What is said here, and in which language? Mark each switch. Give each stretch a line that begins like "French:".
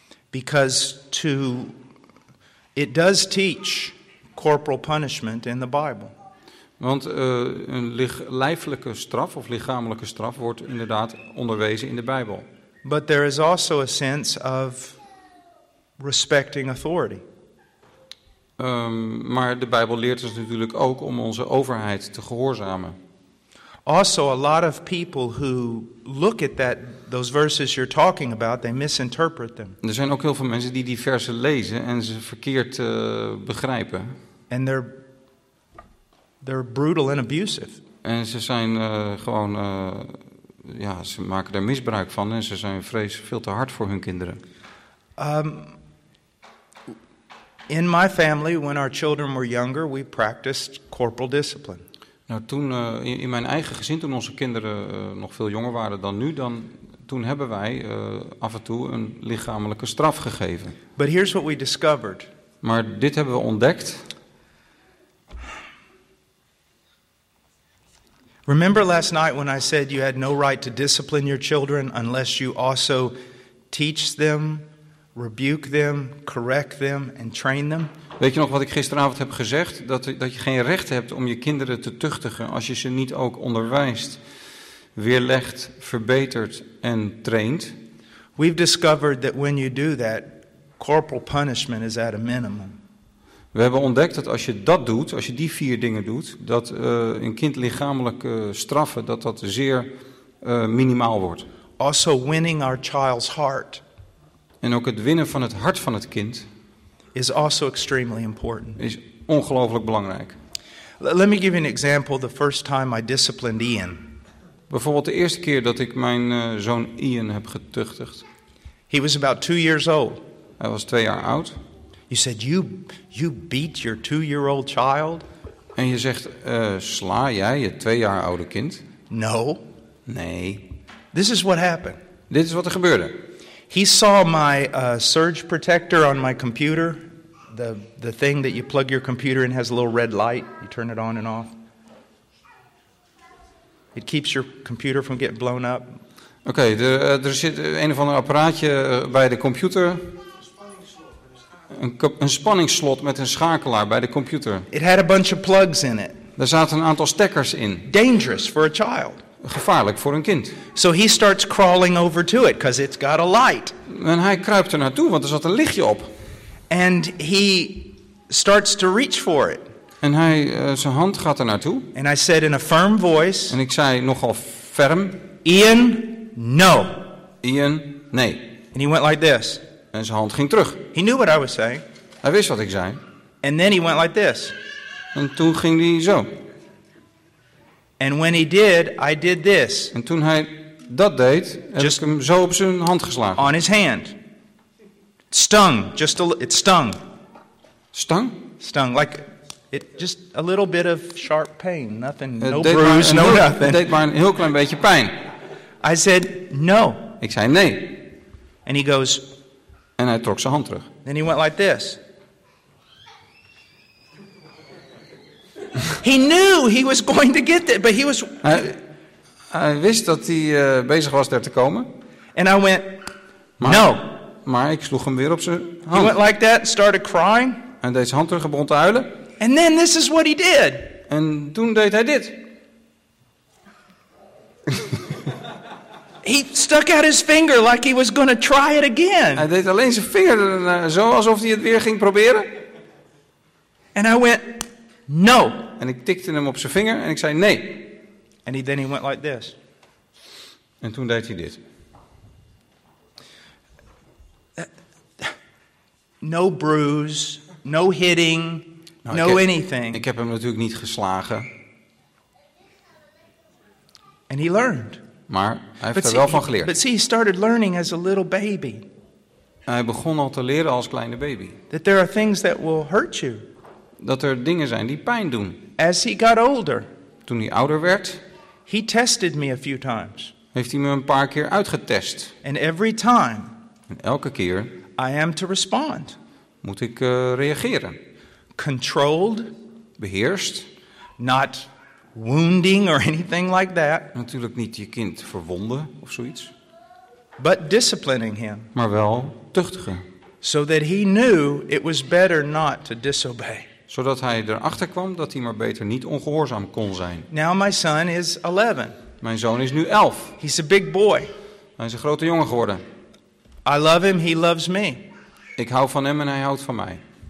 English: Because it does teach corporal punishment in the Bible.
Dutch: Want een lijfelijke straf of lichamelijke straf wordt inderdaad onderwezen in de Bijbel.
English: But there is also a sense of respecting authority.
Dutch: Maar de Bijbel leert ons natuurlijk ook om onze overheid te gehoorzamen.
English: Also, a lot of people who look at that those verses you're talking about, they misinterpret them.
Dutch: Er zijn ook heel veel mensen die die versen lezen en ze verkeerd begrijpen.
English: And they're brutal and abusive.
Dutch: En ze zijn gewoon, ja, ze maken daar misbruik van en ze zijn vrees veel te hard voor hun kinderen.
English: In my family, when our children were younger, we practiced corporal discipline.
Dutch: Nou, toen in mijn eigen gezin, toen onze kinderen nog veel jonger waren dan nu, toen hebben wij af en toe een lichamelijke straf gegeven.
English: But here's what we discovered.
Dutch: Maar dit hebben we ontdekt.
English: Remember last night when I said you had no right to discipline your children unless you also teach them, rebuke them, correct them and train them?
Dutch: Weet je nog wat ik gisteravond heb gezegd? Dat je geen recht hebt om je kinderen te tuchtigen als je ze niet ook onderwijst, weerlegt, verbetert en traint.
English: We've discovered that when you do that, corporal punishment is at a minimum.
Dutch: We hebben ontdekt dat als je dat doet, als je die vier dingen doet, dat een kind lichamelijk straffen, dat zeer minimaal wordt.
English: Also winning our child's heart.
Dutch: En ook het winnen van het hart van het kind
English: is also extremely important.
Dutch: Is ongelooflijk belangrijk.
English: Let me give you an example the first time I disciplined Ian.
Dutch: Bijvoorbeeld de eerste keer dat ik mijn zoon Ian heb getuchtigd.
English: He was about 2 years old.
Dutch: Hij was 2 jaar oud.
English: You said you beat your 2 year old child?
Dutch: En je zegt sla jij je 2 jaar oude kind?
English: No.
Dutch: Nee.
English: This is what happened.
Dutch: Dit is wat er gebeurde.
English: He saw my surge protector on my computer, the thing that you plug your computer in has a little red light. You turn it on and off. It keeps your computer from getting blown up.
Dutch: Okay, er zit een of ander apparaatje bij de computer. Een spanningsslot met een schakelaar bij de computer.
English: It had a bunch of plugs in it.
Dutch: Daar zaten een aantal stekkers in.
English: Dangerous for a child.
Dutch: Gevaarlijk voor een kind.
English: So he starts crawling over to it because it's got a light.
Dutch: En hij kruipt er naartoe want er zat een lichtje op.
English: And he starts to reach for it.
Dutch: En hij zijn hand gaat er naartoe.
English: And I said in a firm voice.
Dutch: En ik zei nogal ferm.
English: Ian, no.
Dutch: Ian, nee.
English: And he went like this.
Dutch: En zijn hand ging terug.
English: He knew what I was saying.
Dutch: Hij wist wat ik zei.
English: And then he went like this.
Dutch: En toen ging hij zo.
English: And when he did, I did this.
Dutch: En toen hij dat deed, heb just ik hem zo op zijn hand geslagen.
English: On his hand. Stung. Just it stung. Stung? Stung. Like it just a little bit of sharp pain. Nothing. No bruise. No nothing.
Dutch: Het deed maar een heel klein beetje pijn.
English: I said no.
Dutch: Ik zei nee.
English: And he goes.
Dutch: En hij trok zijn hand terug.
English: Then he went like this. He knew he was going to get there, but he was.
Dutch: Hij wist dat hij bezig was daar te komen.
English: And I went. Maar, no.
Dutch: Maar ik sloeg hem weer op zijn hand.
English: He went like that, started crying.
Dutch: En deed zijn hand terug en begon te huilen.
English: And then this is what he did.
Dutch: En toen deed hij dit.
English: He stuck out his finger like he was going to try it again.
Dutch: Hij deed alleen zijn vinger zo alsof hij het weer ging proberen.
English: And I went. No.
Dutch: En ik tikte hem op zijn vinger en ik zei nee.
English: And then he went like this.
Dutch: En toen deed hij dit.
English: No bruise, no hitting, no anything.
Dutch: Ik heb hem natuurlijk niet geslagen.
English: And he learned.
Dutch: Maar hij heeft er wel van geleerd.
English: But see, he started learning as a little baby.
Dutch: Hij begon al te leren als kleine baby.
English: That there are things that will hurt you.
Dutch: Dat er dingen zijn die pijn doen.
English: As he got older,
Dutch: toen hij ouder werd,
English: he tested me a few times.
Dutch: Heeft hij me een paar keer uitgetest.
English: And every time,
Dutch: en elke keer,
English: I am to respond.
Dutch: Moet ik reageren.
English: Controlled,
Dutch: beheerst,
English: not wounding or anything like that.
Dutch: Natuurlijk niet je kind verwonden of zoiets.
English: But disciplining him.
Dutch: Maar wel tuchtigen.
English: So that he knew it was better not to disobey.
Dutch: Zodat hij erachter kwam dat hij maar beter niet ongehoorzaam kon zijn.
English: Now my son is 11.
Dutch: Mijn zoon is nu 11.
English: He's a big boy.
Dutch: Hij is een grote jongen geworden.
English: I love him, he loves me.
Dutch: Ik hou van hem en hij houdt van mij.